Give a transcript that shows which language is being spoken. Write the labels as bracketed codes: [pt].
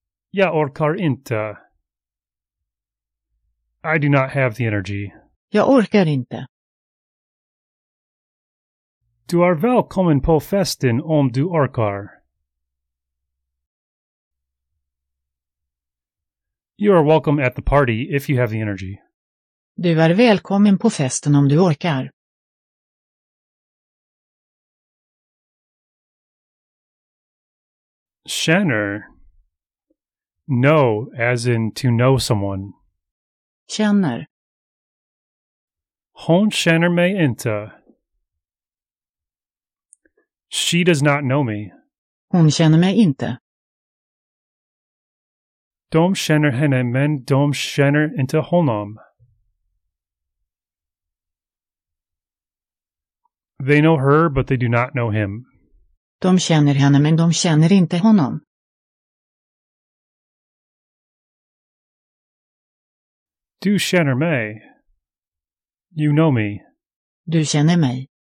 [sv] Jag orkar inte. [en] I do not have the energy. [sv] Jag orkar inte. Du är välkommen på festen om du orkar. [en] You are welcome at the party if you have the energy. [sv] Du är välkommen på festen om du orkar. [en] Känner. Know, as in to know someone. [sv] Känner. Hon känner mig inte. [en] She does not know me. [sv] Hon känner mig inte. De känner henne, men de känner inte honom. [en] They know her, but they do not know him. [sv] De känner henne, men de känner inte honom. Du känner mig. [en] You know me. [sv] Du känner mig.